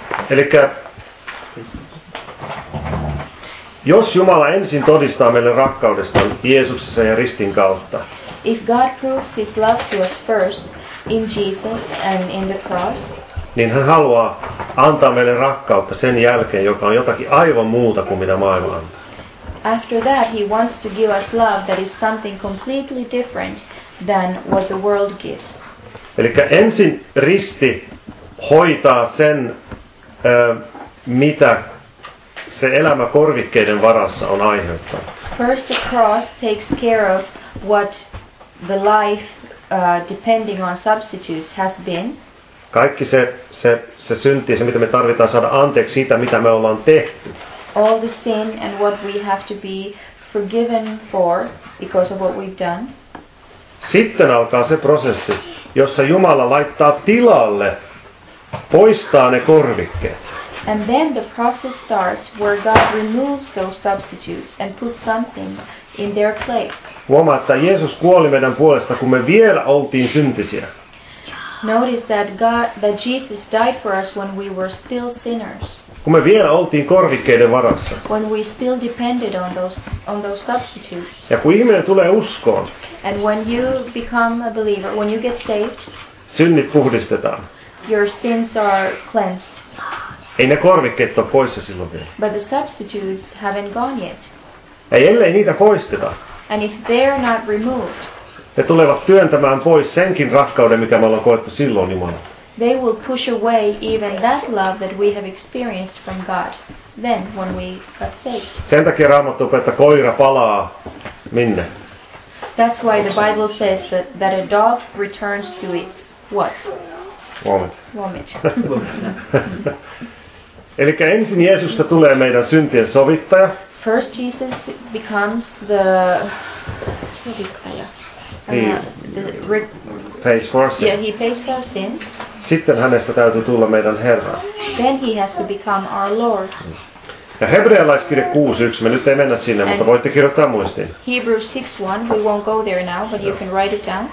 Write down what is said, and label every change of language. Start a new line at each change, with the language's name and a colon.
Finnish: Elikkä jos Jumala ensin todistaa meille rakkaudesta Jeesuksessa ja ristin kautta.
English: If God proves his love to us first in Jesus and in the cross.
Finnish: Niin hän haluaa antaa meille rakkautta sen jälkeen, joka on jotakin aivan muuta kuin mitä maailma antaa.
English: After that he wants to give us love that is something completely different than what the world gives.
Finnish: Elikkä ensin risti hoitaa sen mitä se elämä korvikkeiden varassa on aiheuttanut.
English: First the cross takes care of what the life depending on substitutes has been.
Finnish: Kaikki se synti, se mitä me tarvitaan saada anteeksi siitä, mitä me ollaan tehty.
English: All the sin and what we have to be forgiven for because of what we've done.
Finnish: Sitten alkaa se prosessi, jossa Jumala laittaa tilalle, poistaa ne korvikkeet.
English: And then the process starts where God removes those substitutes and puts something in their place.
Finnish: Huomaa, että Jeesus kuoli meidän puolesta, kun me vielä oltiin syntisiä.
English: Notice that God, that Jesus died for us when we were still sinners.
Finnish: Kun me vielä oltiin korvikkeiden varassa.
English: When we still depended on those substitutes.
Finnish: Ja kun ihminen tulee uskoon.
English: And when you become a believer, when you get saved.
Finnish: Synnit puhdistetaan.
English: Your sins are cleansed.
Finnish: Ei ne korvikkeet ole poissa silloin vielä.
English: But the substitutes haven't gone yet.
Finnish: Ei, ellei niitä poisteta.
English: And if they're not removed.
Finnish: Ne tulevat työntämään pois senkin rakkauden, mitä me ollaan koettu silloin Jumalalta.
English: They will push away even that love that we have experienced from God then when we got saved.
Finnish: Sen takia Raamattu opettaa, että koira palaa minne?
English: That's why the Bible says that a dog returns to its what? Vomit.
Finnish: Elikkä ensin Jeesusta tulee meidän syntien sovittaja.
English: First Jesus becomes the sovittaja. He pays for our sins.
Finnish: Sitten hänestä täytyy tulla meidän Herra.
English: Then he has to become our Lord.
Finnish: Ja hebrealaiskirja 6:1, me nyt ei mennä sinne,
English: and
Finnish: mutta voitte kirjoittaa muistiin.
English: Hebrews 6:1, we won't go there now, but you can write it down.